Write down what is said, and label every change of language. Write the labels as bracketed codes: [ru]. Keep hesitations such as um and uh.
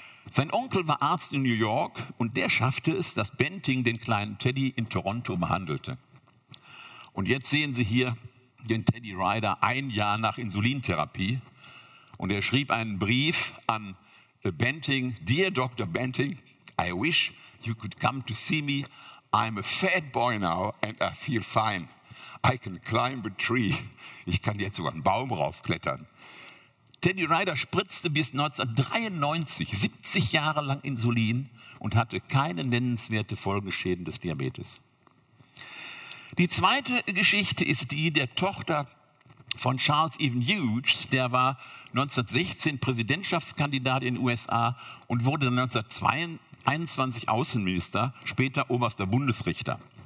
[de] Sein Onkel war Arzt in New York und der schaffte es, dass Benting den kleinen Teddy in Toronto behandelte. Und jetzt sehen Sie hier den Teddy Ryder ein Jahr nach Insulintherapie. Und er schrieb einen Brief an Benting, [en] Dear Dr. Benting, I wish you could come to see me. I'm a fat boy now and I feel fine. I can climb a tree. [de] Ich kann jetzt sogar einen Baum raufklettern. Teddy Ryder spritzte bis 1993 70 Jahre lang Insulin und hatte keine nennenswerte Folgeschäden des Diabetes. Die zweite Geschichte ist die der Tochter von Charles Evan Hughes, der war 1916 Präsidentschaftskandidat in den USA und wurde 1921 Außenminister, später oberster Bundesrichter.